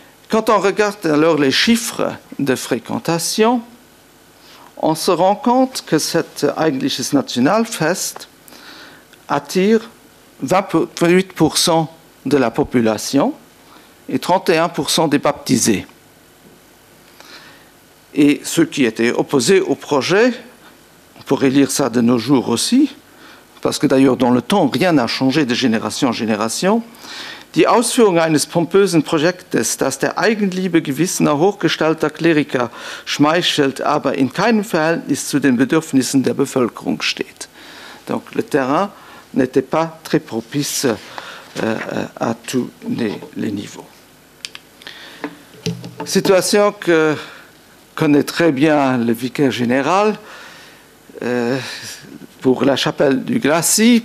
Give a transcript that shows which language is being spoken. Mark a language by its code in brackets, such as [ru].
[fr] Quand on regarde alors les chiffres de fréquentation, on se rend compte que cette [de] Eigentliches Nationalfest [fr] attire 28% de la population et 31% des baptisés. Et ceux qui étaient opposés au projet, pourrait lire ça de nos jours aussi, parce que d'ailleurs dans le temps, rien n'a changé de génération en génération. [de] Die Ausführung eines pompösen Projektes, das der Eigenliebe gewissener hochgestellter Kleriker schmeichelt, aber in keinem Verhältnis zu den Bedürfnissen der Bevölkerung steht. [fr] Donc le terrain n'était pas très propice à tous les niveaux. Situation que connaît très bien le vicaire général pour la chapelle du Glacis.